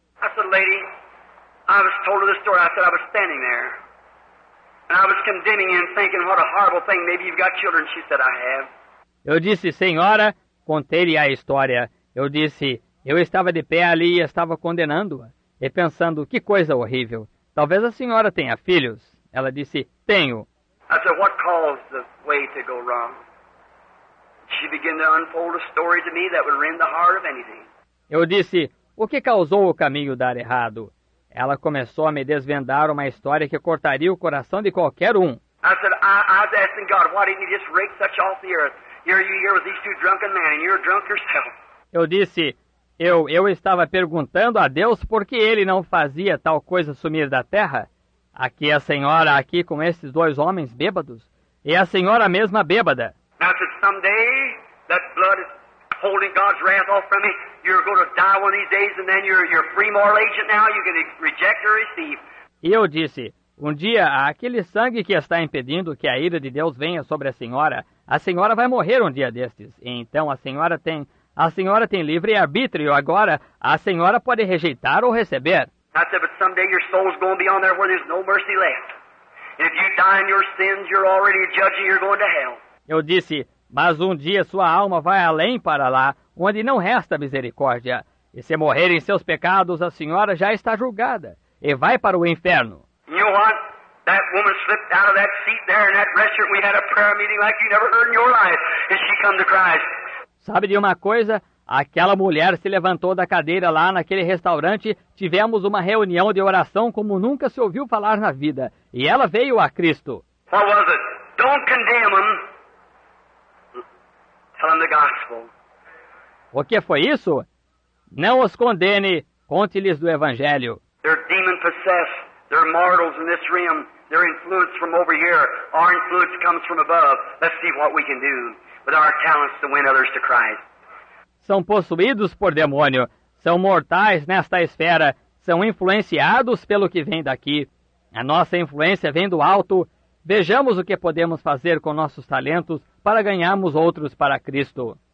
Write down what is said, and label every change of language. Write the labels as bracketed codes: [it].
[en] I said, lady, I was told her the story. I said, I was standing there. And I was condemning him, thinking, what a horrible thing. Maybe you've got children. She said, I have. [pt] Eu disse, senhora, contei-lhe a história. Eu disse, eu estava de pé ali e estava condenando-a. E pensando, que coisa horrível. Talvez a senhora tenha filhos. Ela disse, tenho. [en] I said, what caused the way to go wrong? She began to unfold a story to me that would rend the heart of anything. [pt] Eu disse, o que causou o caminho dar errado? Ela começou a me desvendar uma história que cortaria o coração de qualquer um. [en] I said, I was asking God, why didn't you just rake such off the earth? Here you here with these two drunken men, and you're drunk yourself. [pt] Eu disse, eu estava perguntando a Deus por que ele não fazia tal coisa sumir da terra. Aqui a senhora, aqui com esses dois homens bêbados, e a senhora mesma bêbada. [en] I said, someday, that blood is holding God's wrath off from me. You're going to die one of these days, and then you're a free moral agent now. You can reject or receive. [pt] E eu disse, um dia, aquele sangue que está impedindo que a ira de Deus venha sobre a senhora vai morrer um dia destes. E então a senhora tem livre arbítrio. Agora, a senhora pode rejeitar ou receber. [en] I said, but someday your soul's going to be on there where there's no mercy left. And if you die in your sins, you're already a judge and you're going to hell. [pt] Eu disse, mas um dia sua alma vai além para lá, onde não resta misericórdia. E se morrer em seus pecados, a senhora já está julgada e vai para o inferno. [en] You know what? That woman slipped out of that seat there in that restaurant. We had a prayer meeting like you never heard in your life. And she come to Christ. [pt] Sabe de uma coisa? Aquela mulher se levantou da cadeira lá naquele restaurante. Tivemos uma reunião de oração como nunca se ouviu falar na vida. E ela veio a Cristo. [en] What was it? Don't condemn them. Tell them the gospel. [pt] O que foi isso? Não os condene. Conte-lhes do evangelho. [en] They're demon possessed. They're mortals in this realm. They're influenced from over here. Our influence comes from above. Let's see what we can do with our talents to win others to Christ. [pt] São possuídos por demônio. São mortais nesta esfera. São influenciados pelo que vem daqui. A nossa influência vem do alto. Vejamos o que podemos fazer com nossos talentos para ganharmos outros para Cristo.